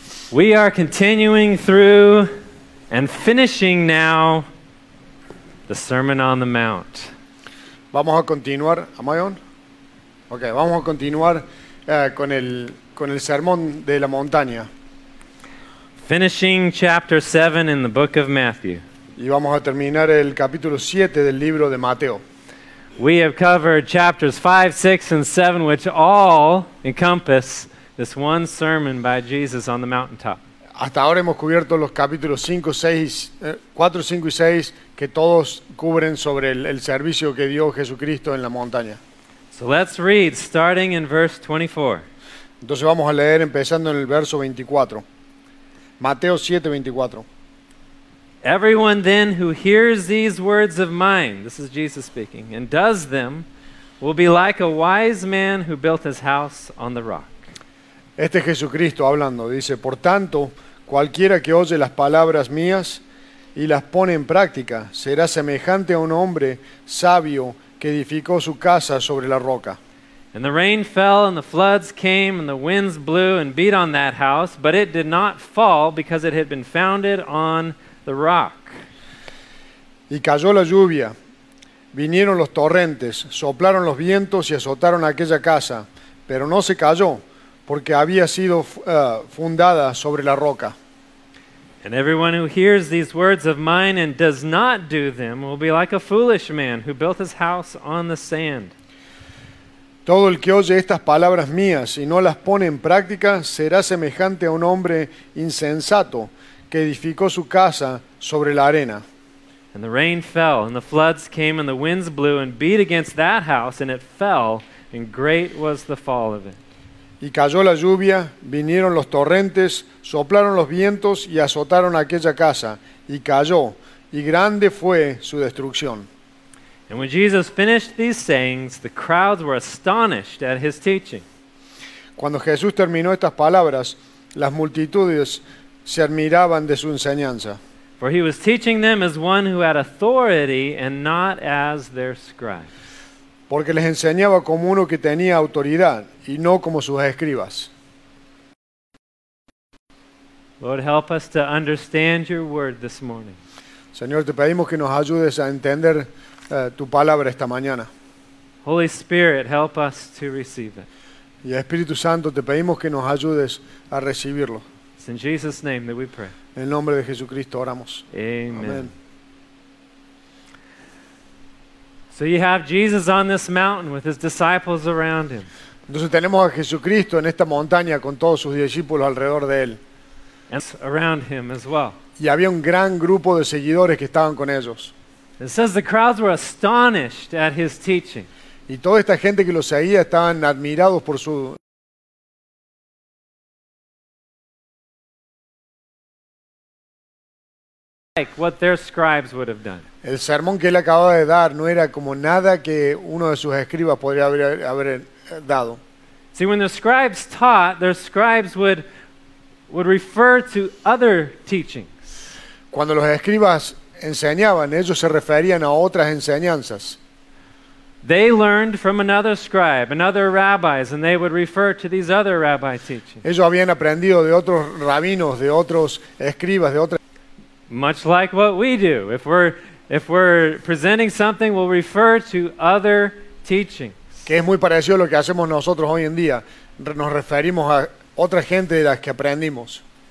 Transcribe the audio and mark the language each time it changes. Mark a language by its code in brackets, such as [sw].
[en] We are continuing through and finishing now the Sermon on the Mount. [es] Vamos a continuar, [en] am I on? [es] Okay, vamos a continuar con el sermón de la montaña. [en] Finishing chapter 7 in the book of Matthew. [es] Y vamos a terminar el capítulo 7 del libro de Mateo. [en] We have covered chapters 5, 6, and 7, which all encompass this one sermon by Jesus on the mountaintop. [es] Hasta ahora hemos cubierto los capítulos 5, 6, 4, 5 y 6, que todos cubren sobre el servicio que dio Jesucristo en la montaña. [en] So let's read, starting in verse 24. [es] Entonces vamos a leer empezando en el verso 24. Mateo 7, 24. [en] Everyone then who hears these words of mine, this is Jesus speaking, and does them, will be like a wise man who built his house on the rock. [es] Este es Jesucristo hablando, dice, por tanto, cualquiera que oye las palabras mías y las pone en práctica, será semejante a un hombre sabio que edificó su casa sobre la roca. [en] And the rain fell, and the floods came, and the winds blew and beat on that house, but it did not fall because it had been founded on the rock. [es] Y cayó la lluvia, vinieron los torrentes, soplaron los vientos y azotaron aquella casa, pero no se cayó, porque había sido fundada sobre la roca. [en] And everyone who hears these words of mine and does not do them will be like a foolish man who built his house on the sand. [es] Todo el que oye estas palabras mías y no las pone en práctica será semejante a un hombre insensato que edificó su casa sobre la arena. [en] And the rain fell, and the floods came, and the winds blew and beat against that house, and it fell, and great was the fall of it. [es] Y cayó la lluvia, vinieron los torrentes, soplaron los vientos y azotaron aquella casa, y cayó, y grande fue su destrucción. [en] And when Jesus finished these sayings, the crowds were astonished at his teaching. [es] Cuando Jesús terminó estas palabras, las multitudes se admiraban de su enseñanza. [en] For he was teaching them as one who had authority and not as their scribes. [es] Porque les enseñaba como uno que tenía autoridad y no como sus escribas. [en] Lord, help us to understand your word this morning. [es] Señor, te pedimos que nos ayudes a entender tu palabra esta mañana. [en] Holy Spirit, help us to receive it. [es] Y Espíritu Santo, te pedimos que nos ayudes a recibirlo. [en] It's in Jesus' name that we pray. [es] En el nombre de Jesucristo oramos. [en] Amen. So you have Jesus on this mountain with his disciples around him. [es] Entonces tenemos a Jesucristo en esta montaña con todos sus discípulos alrededor de él. [en] And around him as well. [es] Y había un gran grupo de seguidores que estaban con ellos. [en] It says the crowds were astonished at his teaching. [es] Y toda esta gente que lo seguía estaban admirados por su. [en] Like what their scribes would have done. [es] El sermón que él acababa de dar no era como nada que uno de sus escribas podría haber dado. [en] See, when the scribes taught, their scribes would refer to other teachings. [es] Cuando los escribas enseñaban, ellos se referían a otras enseñanzas. [en] They learned from another scribe, another rabbis, and they would refer to these other rabbi teachings. [es] Ellos habían aprendido de otros rabinos, de otros escribas, de otras. [en] Much like what we do. If we're presenting something, we'll refer to other teachings. [es] Que es muy parecido a lo que hacemos nosotros hoy en día. Nos referimos a otra gente de las que aprendimos.